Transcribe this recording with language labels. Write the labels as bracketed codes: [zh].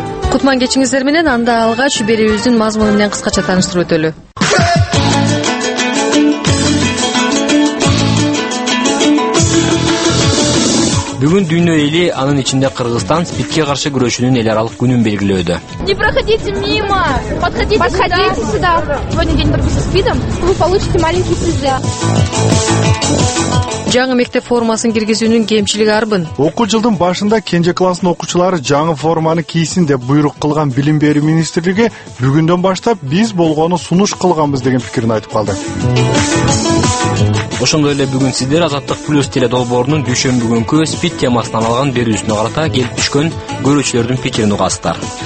[ky] Кутман кечиңиздер менен анда алгач берүүбүздүн мазмуну менен кыскача тааныштырып өтөлү. Бүгүн дүйнө эли, анын ичинде Кыргызстан спиртке каршы күрөшүүнүн эл аралык күнүн белгилөөдө. [ru] Не проходите мимо! Подходите, подходите сюда! Сегодня день борьбы со спидом, вы получите маленький сюрприз. [ky] Жаңы мектеп формасын киргизүүнүн кемчилиги арбын. Окуу жылдын башында кенже класстын окуучулары жаңы форманы кийсин деп буйрук кылган Билим берүү министрлиги бүгүндөн баштап биз болгону сунуш кылганбыз деген пикирин айтып калды. Ошондой эле бүгүн сиздер Азаттык Плюс теледолбоорунун дүйшөмбү күнкү спид темасынан алган берүүсүнө карата келип түшкөн көрүүчүлөрдүн пикирин угасыздар.